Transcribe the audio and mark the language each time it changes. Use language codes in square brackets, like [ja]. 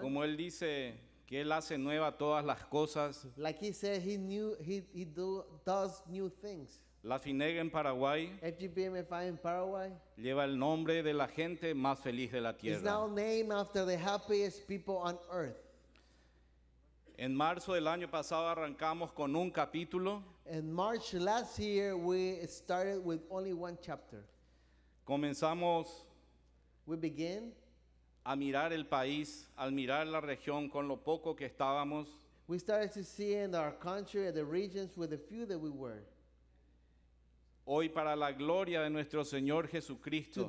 [es] como Él dice que Él hace nueva todas las cosas, [en] like He said, he does new things. [es] La FINEG en Paraguay, [en] FGBMFI in Paraguay, [es] lleva el nombre de la gente más feliz de la tierra. [en] It's now named after the happiest people on earth. [es] En marzo del año pasado arrancamos con un capítulo. [en] In March last year we started with only one chapter. [es] Comenzamos. [en] We begin. [es] A mirar el país, a mirar la región con lo poco que estábamos. [en] We started to see in our country and the regions with the few that we were. [es] Hoy para la gloria de nuestro Señor Jesucristo.